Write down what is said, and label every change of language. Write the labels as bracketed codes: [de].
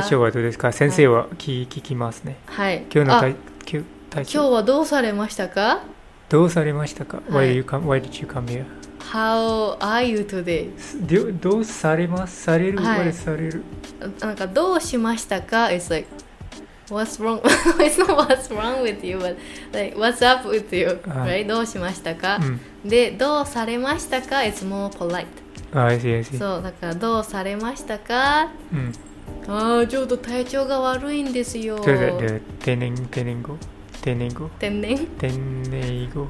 [ja] 体調はどうですか?先生は聞きますね。はい。今日の体調。今日はどうされましたか? どうされましたか? [en] Why did you come here? How are you today? [ja] どうされます?される?はい、される? なんかどうしましたか? [en] It's like, what's wrong? It's not what's wrong with you, but like, what's up with you? Right? どうしましたか?、うん、で、どうされましたか? It's more polite. I see, I see. [ja] そう、だからどうされましたか?、うん、ああ、ちょっと体調が悪いんですよ。そうだ、で、天然語。丁寧語丁寧丁寧語